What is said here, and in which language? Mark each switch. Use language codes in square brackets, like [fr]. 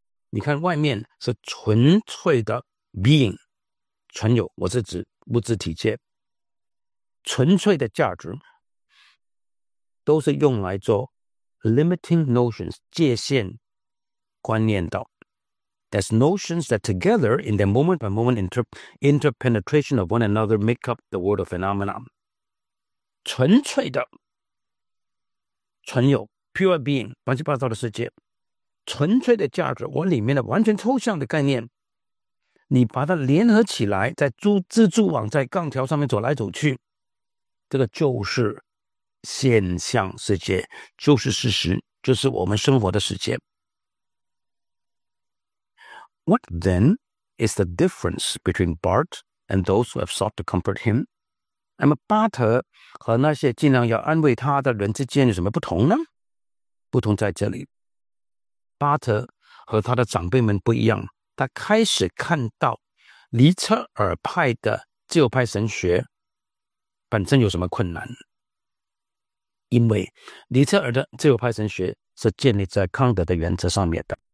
[zh] 你看外面是纯粹的 being, 纯有，我是指物质体界，纯粹的价值都是用来做 limiting notions, 界限观念的。 [en] As notions that together in their moment by moment interpenetration of one another make up the world of phenomena. [zh] 纯粹的纯有 pure being, 乱七八糟的世界，纯粹的价值，我里面的完全抽象的概念，你把它联合起来，在蜘蛛网在杠条上面走来走去，这个就是现象世界，就是事实，就是我们生活的世界。 [en] What then is the difference between Bart and those who have sought to comfort him? [zh] 那么巴特和那些尽量要安慰他的人之间有什么不同呢？不同在这里，巴特和他的长辈们不一样，他开始看到尼采尔派的自由派神学本身有什么困难，因为尼采尔的自由派神学是建立在康德的原则上面的。